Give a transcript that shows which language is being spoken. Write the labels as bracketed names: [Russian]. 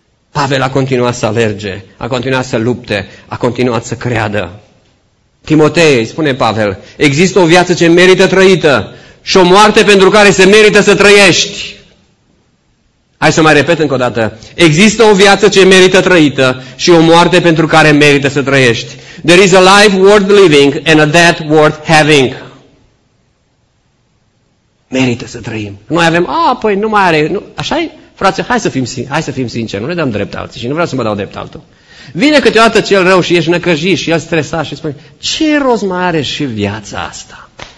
[Romanian] Pavel a continuat să alerge, a continuat să lupte, a continuat să creadă. Timotei, spune Pavel, există o viață ce merită trăită și o moarte pentru care se merită să trăiești. Hai să mai repet încă o dată. Există o viață ce merită trăită și o moarte pentru care merită să trăiești. [English] There is a life worth living and a death worth having. [Romanian] Merită să trăim. Noi avem, păi nu mai are, așa e? Frate, hai să fim sinceri, nu ne dăm drept alții și nu vreau să mă dau drept altul. Vine câteodată cel rău și ești năcăjit și el stresat și spune, ce rost mai are și viața asta?